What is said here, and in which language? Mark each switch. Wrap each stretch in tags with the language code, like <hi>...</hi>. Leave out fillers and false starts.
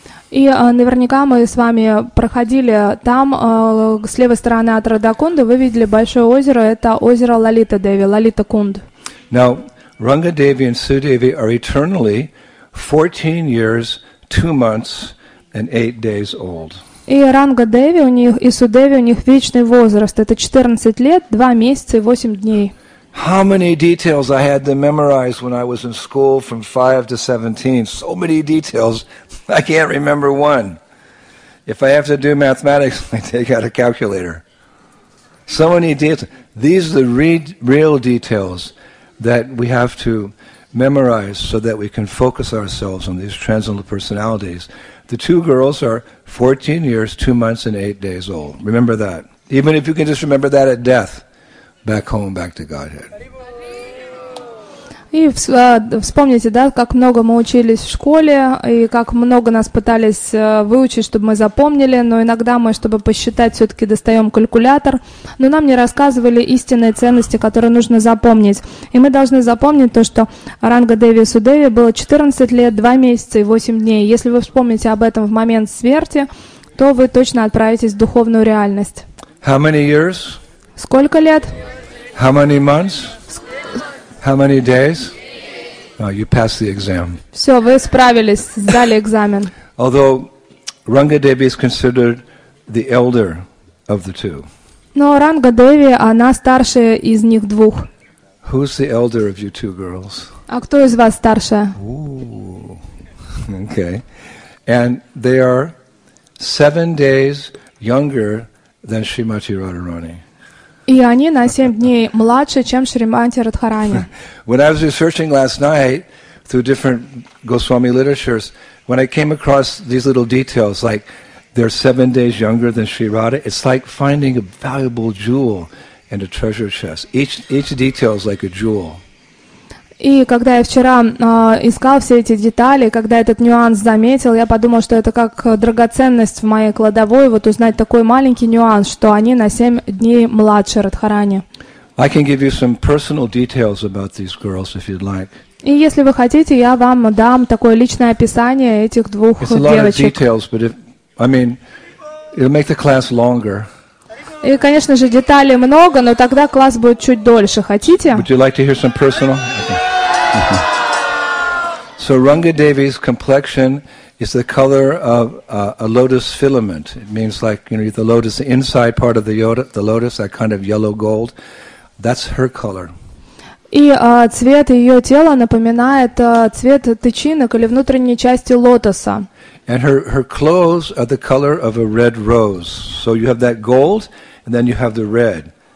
<ru>И наверняка мы с вами проходили там, с левой стороны от Радхакунды, вы видели большое озеро, это озеро Лалита Деви, Лалита Кунд.</ru> <en>Now, Ranga Devi and Sudevi are eternally 14 years, 2 months, and 8 days old.</en> <ru>И Ранга Деви у них и Судеви у них вечный возраст. Это 14 лет, 2 месяца и 8 дней.</ru> <en>How many details I had to memorize when I was in school from 5 to 17. So many details, I can't remember one. If I have to do mathematics, I take out a calculator. So many details. These are the real details that we have to memorize so that we can focus ourselves on these transcendental personalities. The two girls are 14 years, 2 months, and 8 days old. Remember that. Even if you can just remember that at death, back home, back to Godhead.</en> <ru>И вспомните, да, как много мы учились в школе, и как много нас пытались выучить, чтобы мы запомнили, но иногда мы, чтобы посчитать, все-таки достаем калькулятор, но нам не рассказывали истинные ценности, которые нужно запомнить. И мы должны запомнить то, что Ранга Деви Судеви было 14 лет, 2 месяца и 8 дней. Если вы вспомните об этом в момент смерти, то вы точно отправитесь в духовную реальность.</ru> <en>How many years?</en> <ru>Сколько лет?</ru> <en>How many months? How many days? Oh, you passed the exam.</en> <ru>Все, вы справились, сдали экзамен.</ru> <en>Although Ranga Devi is considered the elder of the two.</en> <ru>Но Ранга Деви, она старшая из них двух.</ru> <en>Who's the elder of you two girls?</en> <ru>А кто из вас старшая?</ru> <en>Okay. And they are 7 days younger than Srimati Radharani.</en> <ru>И они на 7 дней младше, чем Шримати Радхарани.</ru> <en>When I was researching last night through different Goswami literatures, when I came across these little details, like they're 7 days younger than Sri Radha, it's like finding a valuable jewel in a treasure chest. Each detail is like a jewel.</en> <ru>И когда я вчера искал все эти детали, когда этот нюанс заметил, я подумал, что это как драгоценность в моей кладовой, вот узнать такой маленький нюанс, что они на 7 дней младше Радхарани.</ru> <en>I can give you some personal details about these girls, if you'd like.</en> <ru>И если вы хотите, я вам дам такое личное описание этих двух</ru> <en>It's</en> <ru>девочек.</ru> <en>It's a lot of details, but if, I mean, it'll make the class longer.</en> <ru>И, конечно же, деталей много, но тогда класс будет чуть дольше. Хотите?</ru> <en>Would you like to hear some personal? Okay. So Ranga Devi's complexion is the color of a lotus filament. It means like, you know, the lotus, the inside part of the lotus, that kind of yellow gold. That's her color.</en> <ru>И цвет ее тела напоминает цвет тычинок или внутренней части лотоса.</ru> <en>And her clothes are the color of a red rose. So you have that gold, and then you have the red.</en>